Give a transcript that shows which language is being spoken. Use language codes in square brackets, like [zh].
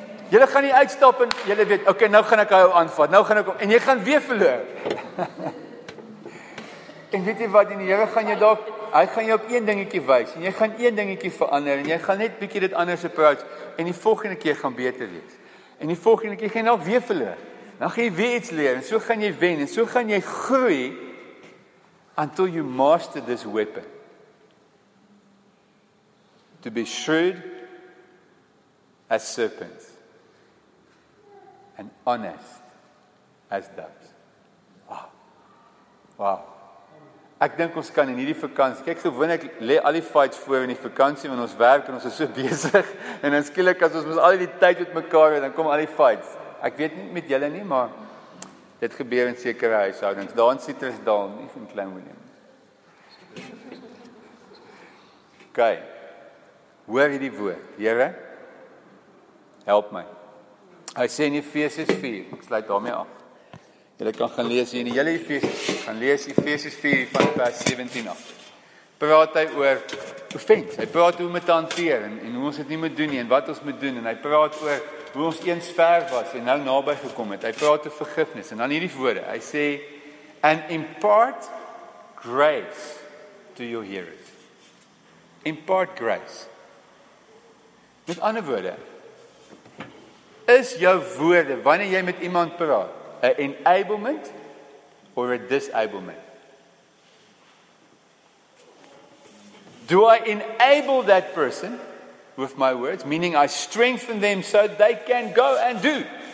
[af] Julle gaan nie uitstap en julle weet, okay, nou gaan ek hou aanvat. Nou gaan ek en jy gaan weer verloor. En weet jy wat, en die Here gaan jou dalk, hy gaan jou op een dingetjie wys en jy gaan een dingetjie verander en jy gaan net bietjie dit anders approach en die volgende keer gaan beter wees. En die volgende keer gaan jy dalk weer verloor. Dan gaan jy weer iets leer en so gaan jy wen en so gaan jy groei [en] until you master this weapon. To be shrewd as serpents and honest as doves. Wow. [af] Ek dink ons kan in hierdie vakansie, kyk gewoonlik lê al die fights voor in die vakansie want ons werk en ons is so besig en dan skielik as ons al die tyd met mekaar het, dan kom al die fights. Ek weet nie met julle nie, maar dit gebeur in sekere huishoudings. Daar in Citrusdal, nie van klein moet neem. Okay. Hoor hierdie woord, Here, help my. Hy sê in Efesiërs 4, ek sluit daarmee af. Julle kan gaan lees hier in die hele Efesiërs, gaan lees Efesiërs 4 van vers 17 af. praat hy oor offense. Hy praat hoe om te hanteer en hoe ons dit nie moet doen nie en wat ons moet doen en hy praat oor hoe ons eens ver was en nou naby gekom het. Hy praat oor vergifnis en dan hierdie woorde. Hy sê [en] and impart grace to your hearers. Impart grace. [af] Met ander woorde is jou woorde wanneer jy met iemand praat 'n [en] enablement or a disablement? Do I enable that person with my words, meaning I strengthen them so they can go and do?